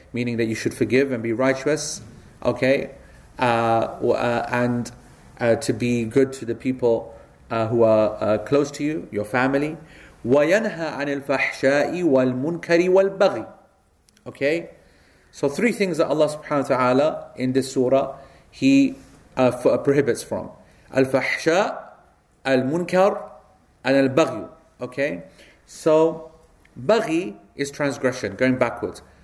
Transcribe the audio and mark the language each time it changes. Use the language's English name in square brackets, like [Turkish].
[English] Meaning that you should forgive and be righteous, okay? To be good to the people who are close to you, your family. [Arabic] وَيَنْهَى عَنِ الْفَحْشَاءِ وَالْمُنْكَرِ وَالْبَغِي. Okay? [English] So three things that Allah subhanahu wa ta'ala in this surah, He prohibits from. الفحشاء, المنكر, and البغي. Okay? So, بغي is transgression, going backwards.